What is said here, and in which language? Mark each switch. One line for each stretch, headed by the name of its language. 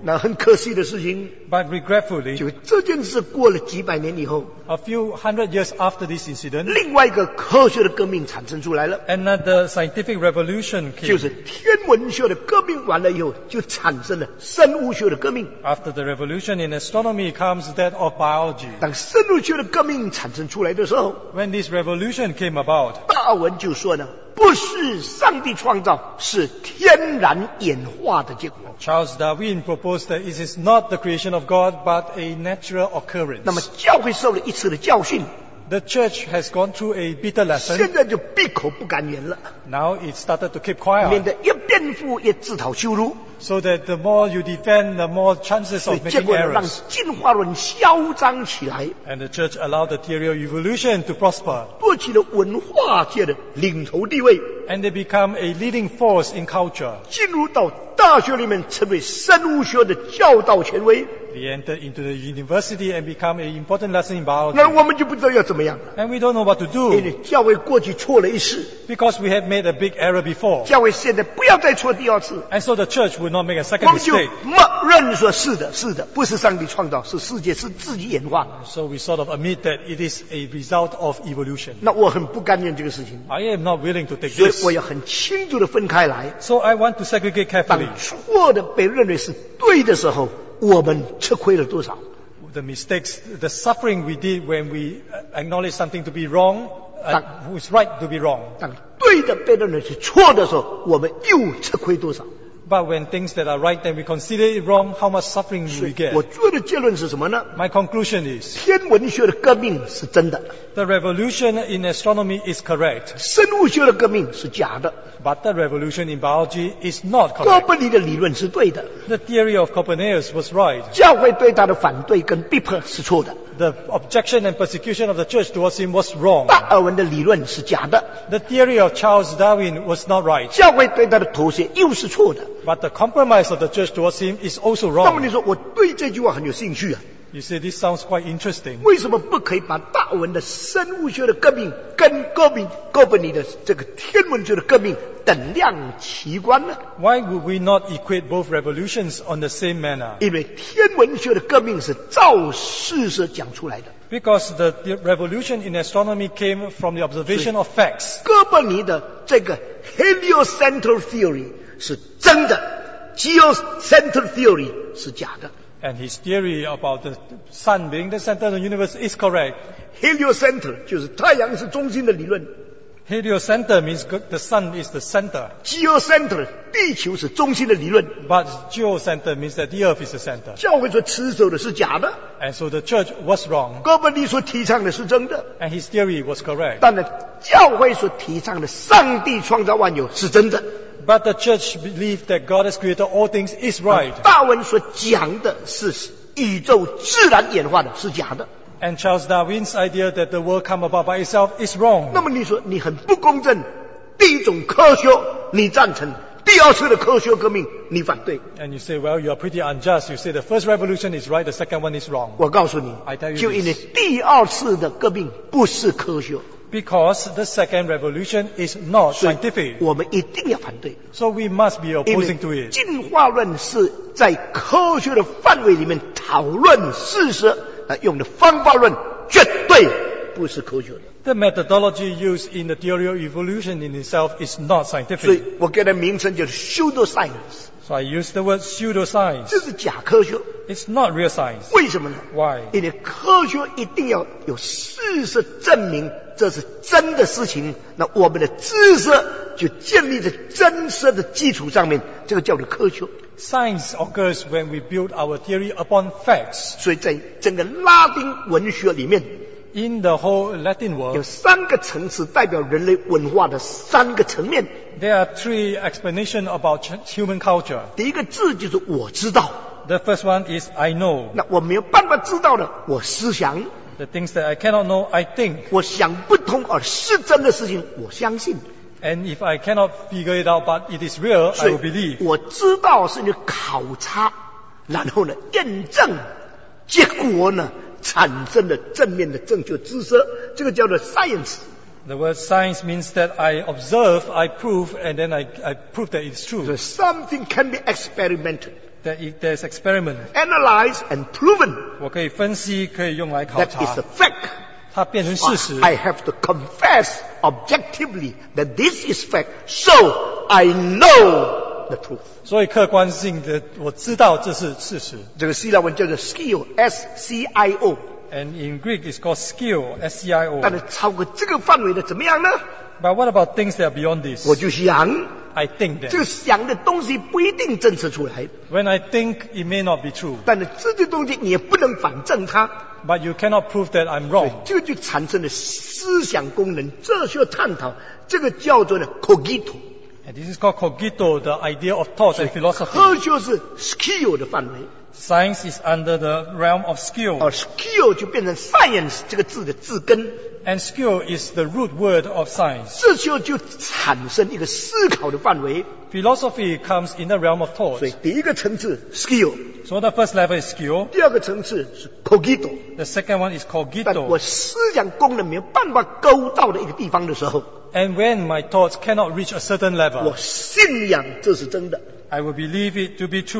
Chinese: 那很可惜的事情，
English: But regretfully,
Chinese: 就这件事过了几百年以后，
English: A few hundred years after this incident,
Chinese: 另外一个科学的革命产生出来了。
English: Another scientific revolution came.
Chinese: 就是天文学的革命完了以后，就产生了生物学的革命。
English: After the revolution in astronomy comes that of biology.
Chinese: 当生物学的革命产生出来的时候，
English: When this revolution came about,
Chinese: 达尔文就说呢，不是上帝创造，是天然演化的结果。
English: Charles Darwin proposed that it is not the creation of God, but a natural occurrence.
Chinese: 那么教会受了一次的教训。
English: The church has gone through a bitter lesson.
Chinese: 现在就闭口不敢言了。
English: Now it started to keep quiet.
Chinese: 免得越辩护越自讨羞辱。
English: So that the more you defend, the more chances of making errors.
Chinese: 结果让进化论嚣张起来。
English: And the church allowed the theory of evolution to prosper.
Chinese: 夺取了文化界的领头地位。
English: And they become a leading force in culture.
Chinese: 进入到大学里面，成为生物学的教导权威。
English: We enter into the university and become an important lesson in biology.
Chinese: 那我们就不知道要怎么样了。
English: And we don't know what to do.
Chinese: 因为教会过去错了一次。
English: Because we have made a big error before.
Chinese: 教会现在不要再错第二次。
English: And so the church will not make a second mistake.
Chinese: 我们就默认说是的，是的，不是上帝创造，是世界是自己演化。
English: So we sort of admit that it is a result of evolution.
Chinese: 那我很不甘愿这个事情。
English: I am not willing to take this.
Chinese: 所以我要很清楚地分开来。
English: So I want to segregate carefully.
Chinese: 当错的被认为是对的时候，我们吃亏了多少？
English: The mistakes, the suffering we did when we acknowledge something to be wrong, who is right to be wrong.
Chinese: 当对的被认为是错的时候，我们又吃亏多少？
English: But when things that are right then we consider it wrong, how much suffering we get?
Chinese: 我做的结论是什么呢？
English: My conclusion is,
Chinese: 天文学的革命是真的。
English: The revolution in astronomy is correct.
Chinese: 生物学的革命是假的。
English: But the revolution in biology is not correct.
Chinese: 哥布尼的理论是对的。
English: The theory of Copernicus was right.
Chinese: 教会对他的反对跟逼迫是错的。
English: The objection and persecution of the church towards him was wrong.
Chinese: 达尔文的理论是假的。
English: The theory of Charles Darwin was not right.
Chinese: 教会对他的妥协又是错的。
English: But the compromise of the church towards him is also wrong.
Chinese: 那么你说我对这句话很有兴趣啊。
English: You say this sounds quite interesting.
Chinese: 为什么不可以把达尔文的生物学的革命跟哥布尼的这个天文学的革命等量齐观呢？
English: Why would we not equate both revolutions on the same manner?
Chinese: 因为天文学的革命是照事实讲出来的。
English: Because the revolution in astronomy came from the observation of facts.
Chinese: 哥布尼的这个 heliocentric theory 是真的， geocentric theory 是假的。
English: And his theory about the sun being the center of the universe is correct.
Chinese: Heliocentric 就是太阳是中心的理论。
English: Heliocentric means the sun is the center.
Chinese: Geocentric 地球是中心的理论。
English: But geocentric means that the earth is the center.
Chinese: 教会说持守的是假的。
English: And so the church was wrong.
Chinese: 哥布尼所提倡的是真的。
English: And his theory was correct.
Chinese: 但是教会所提倡的上帝创造万有是真的。
English: But the church believed that God has created all things is right.
Chinese: 达尔文所讲的是宇宙自然演化的是假的。
English: And Charles Darwin's idea that the world come about by itself is wrong.
Chinese: 那么你说你很不公正，第一种科学你赞成，第二次的科学革命你反对。
English: And you say, well, you are pretty unjust. You say the first revolution is right, the second one is wrong.
Chinese: 我告诉你，
English: I tell you
Chinese: 就因为第二次的革命不是科学。
English: Because the second revolution is not scientific.
Chinese: 我们一定要反对。
English: So we must be opposing to it.
Chinese: 进化论是在科学的范围里面讨论事实，用的方法论绝对不是科学的。
English: The methodology used in the theory of evolution in itself is not scientific.
Chinese: 所以我给它名称叫 pseudoscience.
English: So I use the word pseudoscience.
Chinese: 这是假科学。
English: It's not real science.
Chinese: 为什么呢？
English: Why?
Chinese: 因为科学一定要有事实证明这是真的事情，那我们的知识就建立在真实的基础上面，这个叫做科学。
English: Science occurs when we build our theory upon facts.
Chinese: 所以在整个拉丁文学里面。
English: In the whole Latin world,
Chinese: 有三个层次代表人类文化的三个层面。
English: There are three explanations about human culture.
Chinese: 第一个字就是我知道。
English: The first one is I know.
Chinese: 那我没有办法知道的，我思想。
English: The things that I cannot know, I think.
Chinese: 我想不通而是真的事情，我相信。
English: And if I cannot figure it out, but it is real, I will believe.
Chinese: 我知道是你考察，然后呢验证，结果呢？产生了正面的正确知识，这个叫做 science.
English: The word science means that I observe, I prove, and then I prove that it's true. So something can be experimented. That if there's experiment. Analyzed and proven.
Chinese: 我可以分析，可以用来考察。
English: That is a fact.
Chinese: 它变成事实。
English: I have to confess objectively that this is fact, so I know the truth.
Chinese: 所以客观性的，我知道这是事实。这个希腊文叫做 skill, S-C-I-O.
English: And in Greek it's called skill, S-C-I-O.
Chinese: 但是超过这个范围的怎么样呢？
English: But what about things that are beyond this?
Chinese: 我就想。
English: I think that.
Chinese: 这个想的东西不一定证实出来。
English: When I think, it may not be true.
Chinese: 但是这些东西你也不能反证它。
English: But you cannot prove that I'm wrong.
Chinese: 这就产生了思想功能、哲学探讨，这个叫做呢 cogito。
English: And this is called cogito, the idea of thought and philosophy.
Chinese: 科学是 skill 的范围。
English: Science is under the realm of skill.
Chinese: Skill 就变成 science 这个字的字根。
English: And skill is the root word of science.
Chinese: 这就产生一个思考的范围。
English: Philosophy comes in the realm of thought.
Chinese: 所以第一个层次 skill.
English: So the first level is skill.
Chinese: 第二个层次是 cogito.
English: The second one is cogito.
Chinese: 我思想功能没有办法勾到的一个地方的时候。
English: And when my thoughts cannot reach a certain level.
Chinese: 我信仰这是真的。
English: I will believe it to be true.